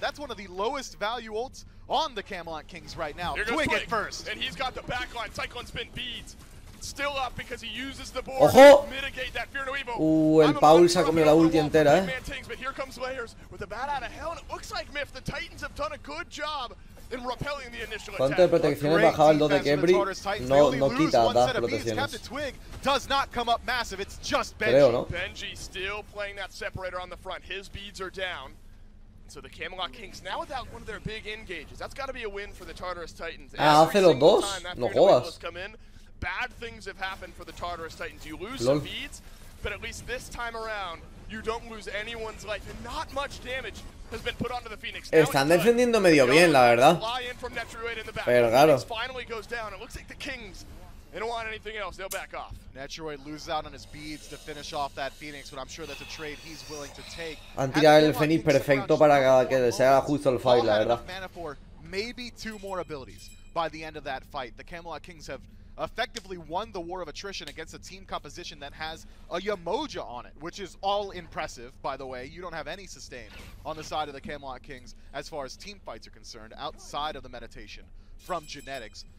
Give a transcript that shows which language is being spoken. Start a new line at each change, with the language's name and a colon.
English: That's one of the lowest value ults on the Camelot Kings right now. Twig at first. And he's got the backline. Cyclone Spin beads. Still up because he uses the board to mitigate that fear no evil.
Spanish: El Paul se ha comido la ulti entera,
English: Tings, but here comes Layers with a bat out of hell. And it looks like Miff, the Titans have done a good job.
Spanish: Cuánto de protección bajaba el 2 de Kembry, no quita las protecciones.
English: Does not come up massive. It's just Benji.
Spanish: Creo, ¿no?
English: Benji still playing that separator on the front. His beads are down. So the Camelot Kings now without one of their big engages. That's got to be a win for the Tartarus Titans.
Spanish: Ah, hace los dos. No jodas.
English: Bad things have happened for the Tartarus Titans. You lose some beads, but at least this time around, you don't lose anyone's life. And not much damage.
Spanish: Están defendiendo medio bien, la verdad. Pero claro.
English: Finally goes down. It looks like the Kings don't want anything else. They'll back off. Netroid loses out on his beads to finish off that Phoenix, but I'm sure that's a trade he's willing to take.
Spanish: Han tirado el Fénix perfecto para que se haga justo el fight, la verdad.
English: Maybe two more abilities by the end of that fight. The Camelot Kings have effectively won the war of attrition against a team composition that has a Yamoja on it, which is all impressive, by the way. You don't have any sustain on the side of the Camelot Kings as far as team fights are concerned, outside of the meditation from genetics.